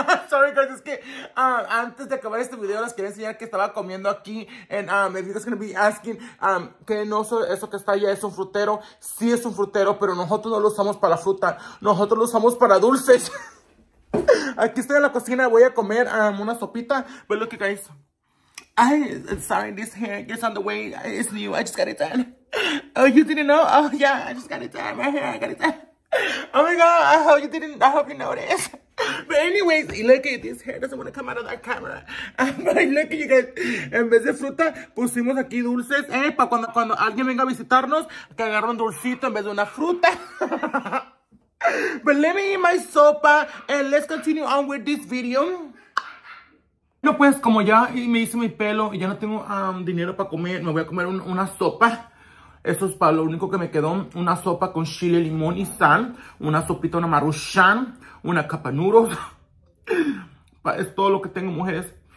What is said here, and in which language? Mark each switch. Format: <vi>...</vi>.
<en>Sorry guys,</en> <es>es que antes de acabar este video les quería enseñar que estaba comiendo aquí.</es> <en>And if you guys gonna be asking</en> <es>que no, eso que está allá es un frutero. Sí es un frutero, pero nosotros no lo usamos para fruta, nosotros lo usamos para dulces. Aquí estoy en la cocina, voy a comer una sopita.</es> <en>But look, you guys, I'm sorry, this hair is on the way, it's new, I just got it done. Oh, you didn't know? Oh yeah, I just got it done. My hair, I got it done. Oh my god, I hope you noticed. But anyways, look at this hair, doesn't want to come out of that camera. But look at you guys,</en> <es>en vez de fruta, pusimos aquí dulces, para cuando alguien venga a visitarnos, que agarre un dulcito en vez de una fruta.</es> <en>But let me eat my sopa, and let's continue on with this video.</en> <es>No, pues, como ya me hice mi pelo, y ya no tengo dinero para comer, me voy a comer una sopa. Eso es para lo único que me quedó. Una sopa con chile, limón y sal. Una sopita, una maruchan. Una capa nudos. Es todo lo que tengo, mujeres.</es>